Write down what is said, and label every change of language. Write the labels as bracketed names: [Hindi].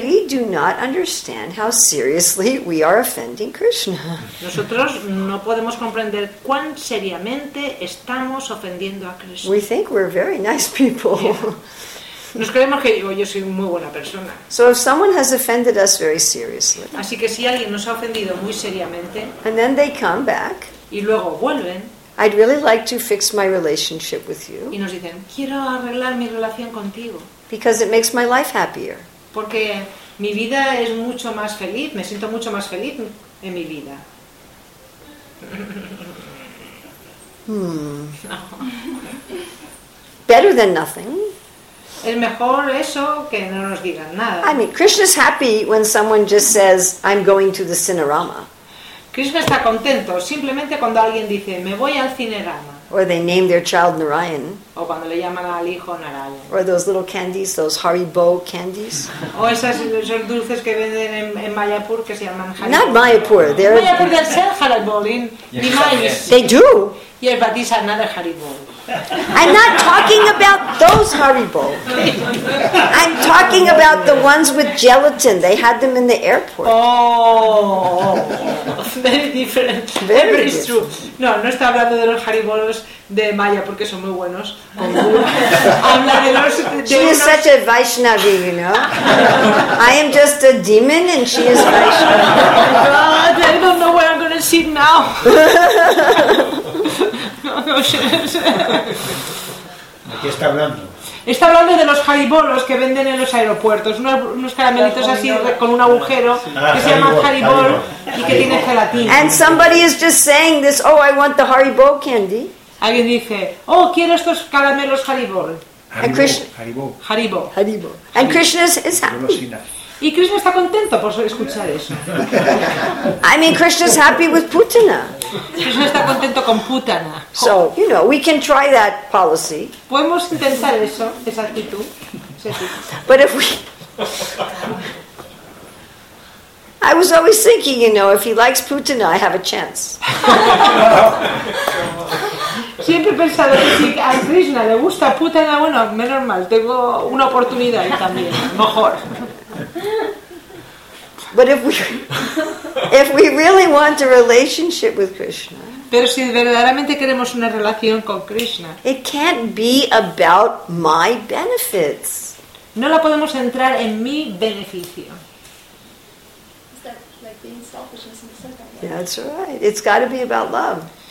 [English] we do not understand how seriously we are offending Krishna. [Spanish] Nosotros no podemos comprender cuán seriamente estamos ofendiendo a Krishna. [English] We think we're very nice people. Yeah. [Spanish] Nos creemos que yo soy muy buena persona. [English] So if someone has offended us very seriously, [Spanish] así que si alguien nos ha ofendido muy seriamente, [English] and then they come back, [Spanish] y luego vuelven, [English] I'd really like to fix my relationship with you. [Spanish] Y nos dicen, quiero arreglar mi relación contigo. [English] Because it makes my life happier. [Spanish] Porque mi vida es mucho más feliz, me siento mucho más feliz en mi vida. [English] Better than nothing. [Spanish] Es mejor eso que no nos digan nada. [English] I mean, Krishna's happy when someone just says, I'm going to the Cinerama. [Spanish] Krishna está contento simplemente cuando alguien dice me voy al Cinerama. [English] Or they name their child Narayan. [Spanish] O cuando le llaman al hijo Narayan. [English] Or those little candies, those Haribo candies. [Spanish] O esos dulces que venden en Mayapur que se llaman Haribo. [English] Not Mayapur, they're Mayapur themselves Haribo in Mayapur. They do. Yes, but these are another Haribo. I'm not talking about those Haribo. I'm talking about the ones with gelatin. They had them in the airport. Oh, very different. Very different. True. [Spanish] No, no está hablando de los Haribolos de Maya porque son muy buenos. Habla de los. [English] She is such a Vaishnavi, you know. I am just a demon, and she is Vaishnavi. God, I don't know where I'm going to sit now. [Spanish] ¿De qué está hablando? Está hablando de los haribolos que venden en los aeropuertos, unos caramelitos así con un agujero que se llaman haribol y que tiene gelatina. [English] And somebody is just saying this, oh, I want the haribo candy. [Spanish] Alguien dice, oh, quiero estos caramelos haribol. [English] Haribo. And Krishna is happy. [Spanish] Y Krishna está contento por escuchar eso. [English] I mean, Krishna is happy with Putana. [Spanish] Krishna está contento con Putana. [English] So, you know, we can try that policy. [Spanish] Podemos intentar eso, esa actitud. [English] But if we... I was always thinking, you know, if he likes Putana, I have a chance. [Spanish] Siempre he pensado que si a Krishna le gusta Putana, bueno, menos mal, tengo una oportunidad también, mejor. [English] But if we really want a relationship with Krishna, [Spanish] pero si verdaderamente queremos una relación con Krishna, [English] it can't be about my benefits. [Spanish] No la podemos centrar en mi beneficio. [English] Is that like being selfish? Yeah, that's right. It's got to be about love.